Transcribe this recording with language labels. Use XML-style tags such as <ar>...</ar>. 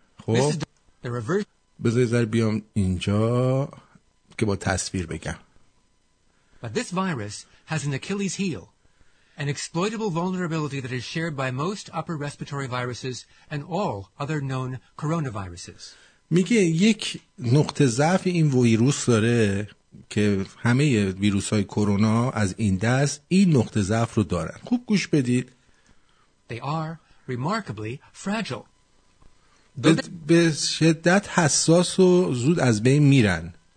<fa>خب بذاری ذر بیام اینجا که با تصویر بگم.</fa> <en>But this virus has an Achilles heel, an exploitable vulnerability that is shared by most upper respiratory viruses and all other known coronaviruses.</en> <fa>میگه یک نقطه ضعف این ویروس داره که همه ویروس‌های کرونا از این دست این نقطه ضعف رو دارن. خوب گوش بدید.</fa> <en>They are remarkably fragile.</en> <fa>به شدت حساس و زود از بین میرن.</fa>